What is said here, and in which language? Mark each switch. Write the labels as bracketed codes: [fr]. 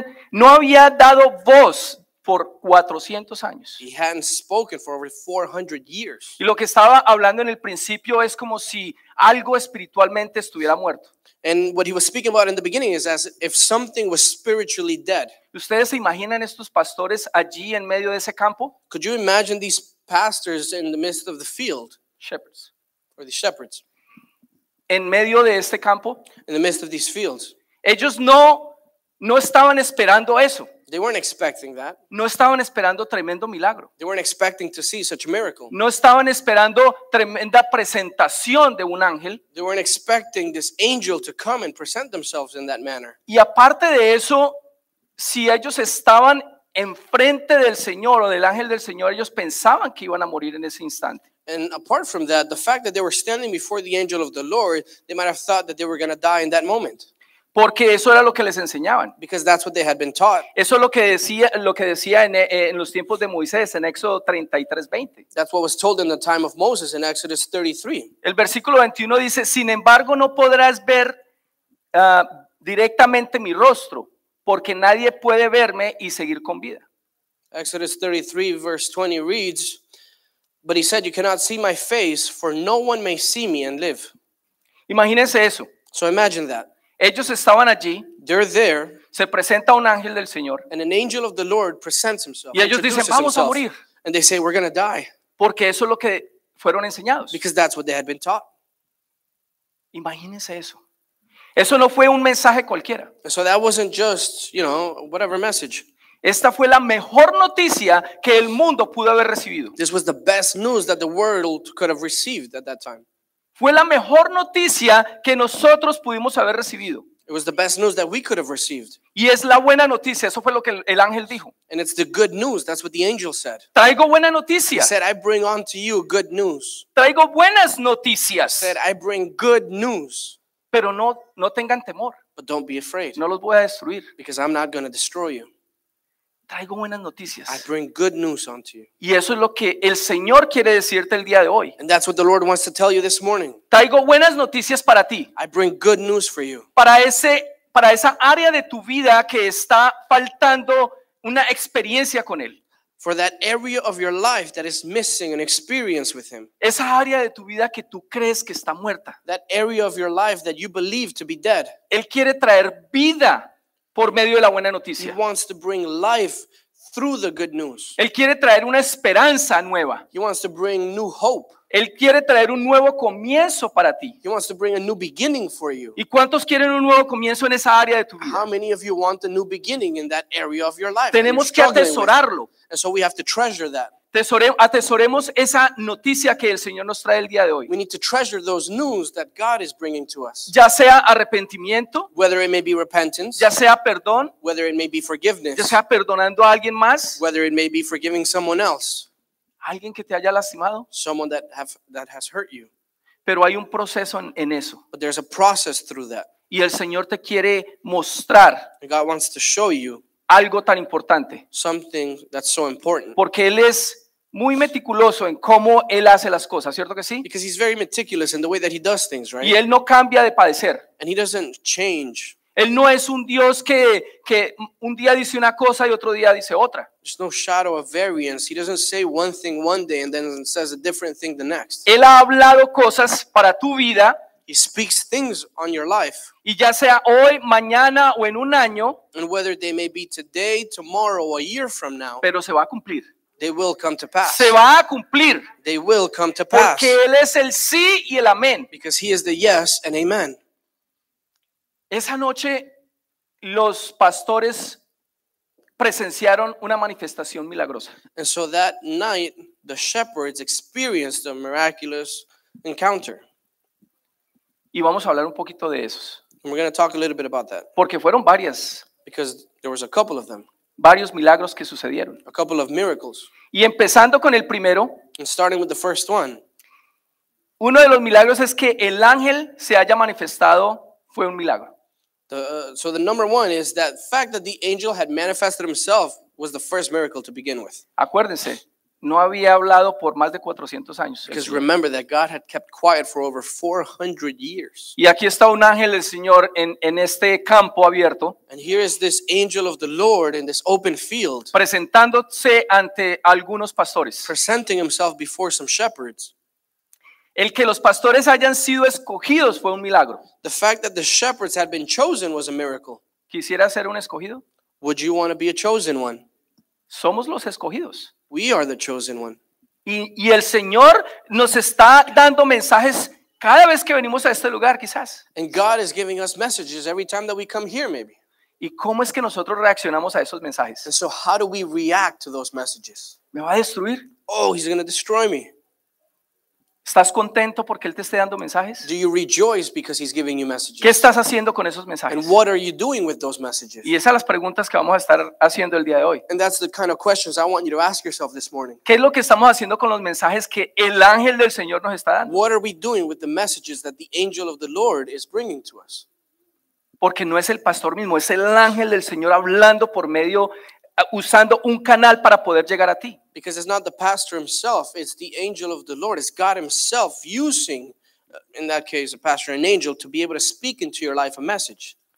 [es] No había dado voz por 400 años. [en] He hadn't spoken for over 400 years. [es] Y lo que estaba hablando en el principio es como si algo espiritualmente estuviera muerto. [en] And what he was speaking about in the beginning is as if something was spiritually dead. [es] ¿Ustedes se imaginan estos pastores allí en medio de ese campo? [en] Could you imagine these pastors in the midst of the field? Shepherds. Or the shepherds. [es] En medio de este campo. [en] In the midst of these fields. [es] Ellos no estaban esperando eso. [en] They weren't expecting that. [es] No estaban esperando tremendo milagro. [en] They weren't expecting to see such a miracle. [es] No estaban esperando tremenda presentación de un ángel. [en] They weren't expecting this angel to come and present themselves in that manner. [es] Y aparte de eso, si ellos estaban enfrente del Señor o del ángel del Señor, ellos pensaban que iban a morir en ese instante. [en] And apart from that, the fact that they were standing before the angel of the Lord, they might have thought that they were going to die in that moment. [es] Porque eso era lo que les enseñaban. [en] Because that's what they had been taught. [es] Eso es lo que decía en los tiempos de Moisés, en Éxodo 33:20. [en] That's what was told in the time of Moses in Exodus 33. [es] El versículo 21 dice, "Sin embargo, no podrás ver directamente mi rostro, porque nadie puede verme y seguir con vida." [en] Exodus 33 verse 20 reads, "But he said, 'You cannot see my face, for no one may see me and live.'" [es] Imagínense eso. [en] So imagine that. [es] Ellos estaban allí. [en] They're there. [es] Se presenta un ángel del Señor. [en] And an angel of the Lord presents himself. [es] Y ellos dicen, vamos a morir. [en] And they say, we're going to die. [es] Porque eso es lo que fueron enseñados. [en] Because that's what they had been taught. [es] Imagínense eso. Eso no fue un mensaje cualquiera. [en] So that wasn't just, you know, whatever message. [es] Esta fue la mejor noticia que el mundo pudo haber recibido. [en] This was the best news that the world could have received at that time. [es] Fue la mejor noticia que nosotros pudimos haber recibido. [en] It was the best news that we could have received. [es] Y es la buena noticia. Eso fue lo que el ángel dijo. [en] And it's the good news. That's what the angel said. [es] Traigo buena noticia. [en] He said, I bring unto you good news. [es] Traigo buenas noticias. [en] He said, I bring good news. [es] Pero no tengan temor. [en] But don't be afraid. [es] No los voy a destruir. [en] Because I'm not going to destroy you. [es] Traigo buenas noticias. [en] I bring good news unto you. [es] Y eso es lo que el Señor quiere decirte el día de hoy. [en] And that's what the Lord wants to tell you this morning. [es] Traigo buenas noticias para ti. [en] I bring good news for you. [es] Para esa área de tu vida que está faltando una experiencia con Él. [en] for that area of your life that is missing an experience with him. [es] Esa área de tu vida que tú crees que está muerta. [en] That area of your life that you believe to be dead. [es] Él quiere traer vida por medio de la buena noticia. [en] He wants to bring life through the good news. [es] Él quiere traer una esperanza nueva. [en] He wants to bring new hope. [es] Él quiere traer un nuevo comienzo para ti. [en] He wants to bring a new beginning for you. [es] ¿Y cuántos quieren un nuevo comienzo en esa área de tu vida? [en] How many of you want a new beginning in that area of your life? [es] Tenemos que atesorarlo. [en] And so we have to treasure that. [es] Atesoremos esa noticia que el Señor nos trae el día de hoy. [en] We need to treasure those news that God is bringing to us. [es] Ya sea arrepentimiento, [en] whether it may be repentance, [es] ya sea perdón, [en] whether it may be forgiveness, [es] ya sea perdonando a alguien más, [en] whether it may be forgiving someone else. [es] Alguien que te haya lastimado. [en] Someone that has hurt you. [es] Pero hay un proceso en eso. [en] But there's a process through that. [es] Y el Señor te quiere mostrar. [en] And God wants to show you. [es] Algo tan importante. [en] Something that's so important. [es] Porque Él es muy meticuloso en cómo Él hace las cosas. ¿Cierto que sí? [en] Because He's very meticulous in the way that He does things, right? [es] Y Él no cambia de padecer. [en] And He doesn't change. [es] Él no es un Dios que un día dice una cosa y otro día dice otra. [en] There's no shadow of variance. He doesn't say one thing one day and then says a different thing the next. [es] Él ha hablado cosas para tu vida. [en] He speaks things on your life. [es] Y ya sea hoy, mañana o en un año. [en] And whether they may be today, tomorrow, a year from now. [es] Pero se va a cumplir. [en] They will come to pass. [es] Se va a cumplir. [en] They will come to pass. [es] Porque Él es el sí y el amén. [en] Because He is the yes and amen. [es] Esa noche los pastores presenciaron una manifestación milagrosa. [en] And so that night the shepherds experienced a miraculous encounter. [es] Y vamos a hablar un poquito de esos. [en] And we're going to talk a little bit about that. [es] Porque fueron varias. [en] Because there was a couple of them. [es] Varios milagros que sucedieron. [en] A couple of miracles. [es] Y empezando con el primero. [en] And starting with the first one. [es] Uno de los milagros es que el ángel se haya manifestado fue un milagro. [en] So the number one is that fact that the angel had manifested himself was the first miracle to begin with. [es] Acuérdense, no había hablado por más de 400 años. [en] Because remember that God had kept quiet for over 400 years. [es] Y aquí está un ángel del Señor en este campo abierto. [en] And here is this angel of the Lord in this open field. [es] Presentándose ante algunos pastores. [en] Presenting himself before some shepherds. [es] El que los pastores hayan sido escogidos fue un milagro. [en] The fact that the shepherds had been chosen was a miracle. [es] ¿Quisiera ser un escogido? [en] Would you want to be a chosen one? [es] Somos los escogidos. [en] We are the chosen one. [es] Y el Señor nos está dando mensajes cada vez que venimos a este lugar, quizás. [en] And God is giving us messages every time that we come here, maybe. [es] ¿Y cómo es que nosotros reaccionamos a esos mensajes? [en] And so how do we react to those messages? [es] ¿Me va a destruir? [en] Oh, he's going to destroy me. [es] ¿Estás contento porque Él te esté dando mensajes? [en] Do you rejoice because He's giving you messages? [es] ¿Qué estás haciendo con esos mensajes? [en] And what are you doing with those messages? [es] Y esas las preguntas que vamos a estar haciendo el día de hoy. [en] And that's the kind of questions I want you to ask yourself this morning. [es] ¿Qué es lo que estamos haciendo con los mensajes que el ángel del Señor nos está dando? [en] What are we doing with the messages that the angel of the Lord is bringing to us? [es] Porque no es el pastor mismo, es el ángel del Señor hablando por medio, usando un canal para poder llegar a ti. [en] Because it's not the pastor himself, it's the angel of the Lord. It's God himself using, in that case, a pastor, an angel, to be able to speak into your life a message.